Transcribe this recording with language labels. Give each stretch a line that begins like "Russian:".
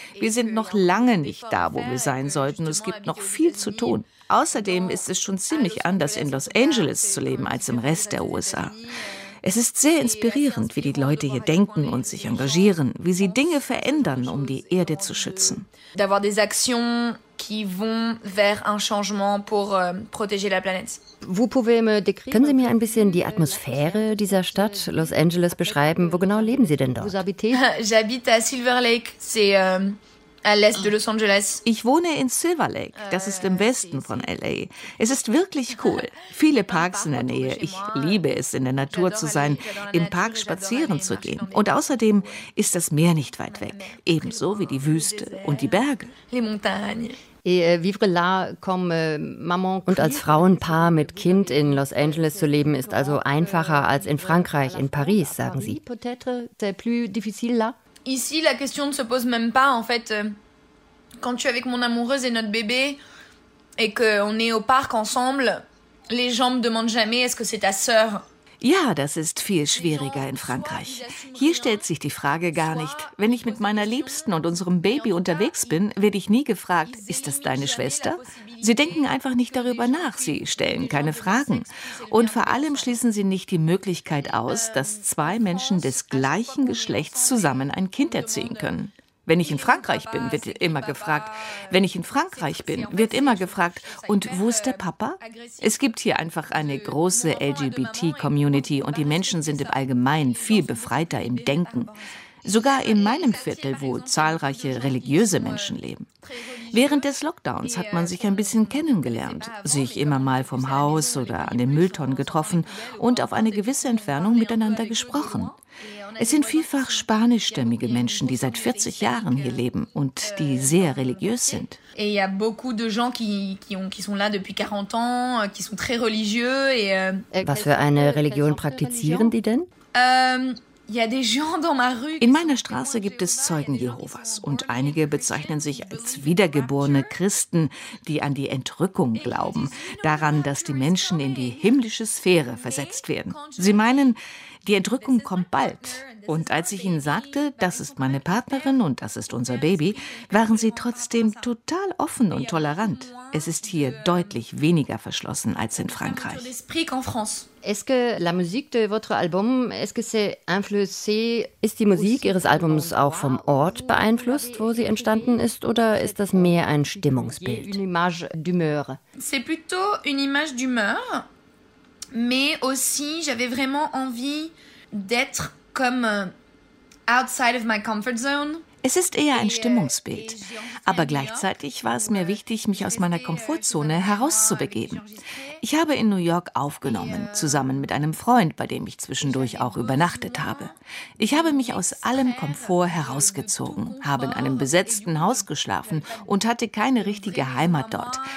German: Wir sind noch lange nicht da, wo wir sein sollten. Es gibt noch viel zu tun. Außerdem ist es schon ziemlich anders, in Los Angeles zu leben als im Rest der USA. Es ist sehr inspirierend, wie die Leute hier denken und sich engagieren, wie sie Dinge verändern, um die Erde zu schützen.
French: D'avoir des actions qui vont vers un changement pour protéger la planète. Vous pouvez me décrire?
German: Können Sie mir ein bisschen die Atmosphäre dieser Stadt Los Angeles beschreiben? Wo genau leben Sie denn dort?
French: J'habite à Silver Lake. À l'est de Los Angeles.
German: Ich wohne in Silver Lake, das ist im Westen von L.A. Es ist wirklich cool. Viele Parks in der Nähe. Ich liebe es, in der Natur zu sein, im Park spazieren zu gehen. Und außerdem ist das Meer nicht weit weg, ebenso wie die Wüste und die Berge.
French: Les montagnes.
German: Und als Frauenpaar mit Kind in Los Angeles zu leben, ist also einfacher als in Frankreich, in Paris, sagen Sie.
French: Ici, la question ne se pose même pas, en fait. Quand tu es avec mon amoureuse et notre bébé, et qu'on est au parc ensemble, les gens ne me demandent jamais, est-ce que c'est ta sœur?
German: Ja, das ist viel schwieriger in Frankreich. Hier stellt sich die Frage gar nicht. Wenn ich mit meiner Liebsten und unserem Baby unterwegs bin, werde ich nie gefragt, ist das deine Schwester? Sie denken einfach nicht darüber nach, sie stellen keine Fragen. Und vor allem schließen sie nicht die Möglichkeit aus, dass zwei Menschen des gleichen Geschlechts zusammen ein Kind erziehen können. Wenn ich in Frankreich bin, wird immer gefragt, und wo ist der Papa? Es gibt hier einfach eine große LGBT-Community und die Menschen sind im Allgemeinen viel befreiter im Denken. sogar in meinem Viertel, wo zahlreiche religiöse Menschen leben. Während des Lockdowns hat man sich ein bisschen kennengelernt, sich immer mal vom Haus oder an den Mülltonnen getroffen und auf eine gewisse Entfernung miteinander gesprochen. Es sind vielfach spanischstämmige Menschen, die seit 40 Jahren hier leben und die sehr religiös sind. Et il y a beaucoup de gens qui sont là depuis 40 ans, qui sont très religieux. Was für eine Religion praktizieren die denn? In meiner Straße gibt es Zeugen Jehovas und einige bezeichnen sich als wiedergeborene Christen, die an die Entrückung glauben, daran, dass die Menschen in die himmlische Sphäre versetzt werden. Sie meinen, die Entrückung kommt bald. Und als ich ihnen sagte, das ist meine Partnerin und das ist unser Baby, waren sie trotzdem total offen und tolerant. Es ist hier deutlich weniger verschlossen als in Frankreich.
French: Est-ce que la musique de votre album, est-ce que c'est influencé?
German: Ist die Musik Ihres Albums auch vom Ort beeinflusst, wo sie entstanden ist, oder ist das mehr ein Stimmungsbild?
French: Une image d'humeur. C'est plutôt une image d'humeur, mais aussi j'avais vraiment envie d'être comme
English: outside of my comfort zone.
German: Es ist eher ein Stimmungsbild. Aber gleichzeitig war es mir wichtig, mich aus meiner Komfortzone herauszubegeben. Ich habe in New York aufgenommen, zusammen mit einem Freund, bei dem ich zwischendurch auch übernachtet habe. Ich habe mich aus allem Komfort herausgezogen, habe in einem besetzten Haus geschlafen und hatte keine richtige Heimat dort.